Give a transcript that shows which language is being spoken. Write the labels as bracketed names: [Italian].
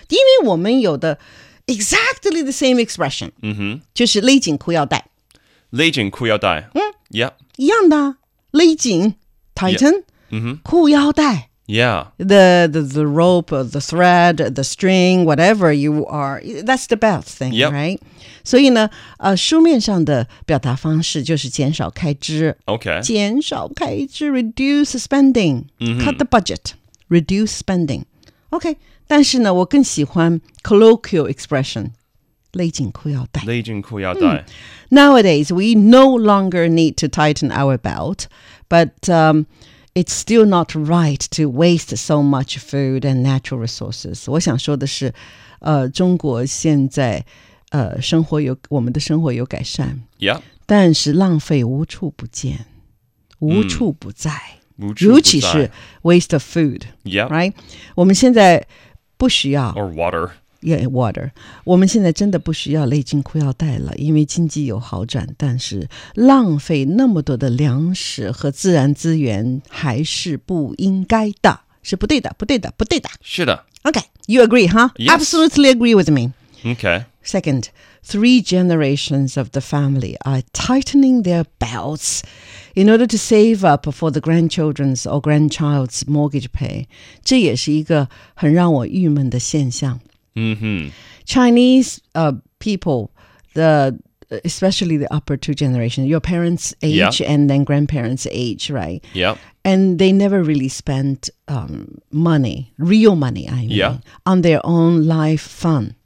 [Chinese] 因为我们有的 [English] exactly the same expression. Mm-hmm. [Chinese] 就是勒紧裤腰带。勒紧裤腰带。 [English] Yep. [Chinese] 一样的。勒紧 tighten. [English] Mm-hmm. [Chinese] 裤腰带。 [English] Yeah. The rope, the thread, the string, whatever you are. That's the belt thing, right? [Chinese] 所以呢，书面上的表达方式就是减少开支。 [English] Okay. [Chinese] 减少开支 [English] reduce spending. Mm-hmm. Cut the budget. Reduce spending. OK, [Chinese] 但是呢我更喜欢 [English] colloquial expression, [Chinese] 勒紧裤腰带。勒紧裤腰带。 [English] Nowadays, we no longer need to tighten our belt, but it's still not right to waste so much food and natural resources. [Chinese] 我想说的是中国现在生活有我们的生活有改善。 [English] Yeah. [Chinese] 但是浪费无处不见。无处不在。无处不在。尤其是 [English] waste of food. Yeah. Right? [Chinese] 我们现在不需要。 [English] Or water. Yeah, water. [Chinese] 我们现在真的不需要勒紧裤腰带了因为经济有好转但是浪费那么多的粮食和自然资源还是不应该的。是不对的不对的不对的。是的。 [English] Okay, you agree, huh? Yes. Absolutely agree with me. Okay. Second, three generations of the family are tightening their belts in order to save up for the grandchildren's or grandchild's mortgage pay. [Chinese] 这也是一个很让我郁闷的现象。 [English] Mm-hmm. Chinese people, especially the upper two generations, your parents' age and then grandparents' age, right? Yeah. And they never really spent money, real money, I mean, on their own life fun.